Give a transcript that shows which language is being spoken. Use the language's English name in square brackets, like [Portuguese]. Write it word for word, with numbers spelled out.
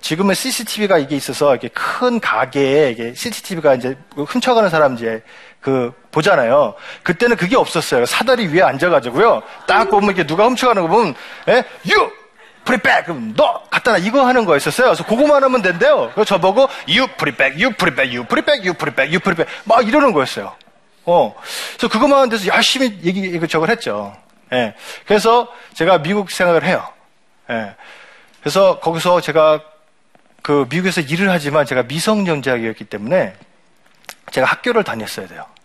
[Korean] 지금은 씨씨티비가 이게 있어서 이렇게 큰 가게에 이게 씨씨티비가 이제 훔쳐가는 사람 이제 그 보잖아요. 그때는 그게 없었어요. 사다리 위에 앉아가지고요. 딱 보면 이렇게 누가 훔쳐가는 거 보면, 예, [English] you put it back. [Korean] 그럼 너 갖다 놔. 이거 하는 거였었어요. 그래서 그거만 하면 된대요. 그래서 저보고 [English] you put it back, you put it back, you put it back, you put it back, you put it back. [Korean] 막 이러는 거였어요. 어. 그래서 그것만 하는 데서 열심히 얘기, 이거 저걸 했죠. 예. 그래서 제가 미국 생각을 해요. 예. 그래서 거기서 제가 그 미국에서 일을 하지만 제가 미성년자였기 때문에 제가 학교를 다녔어야 돼요.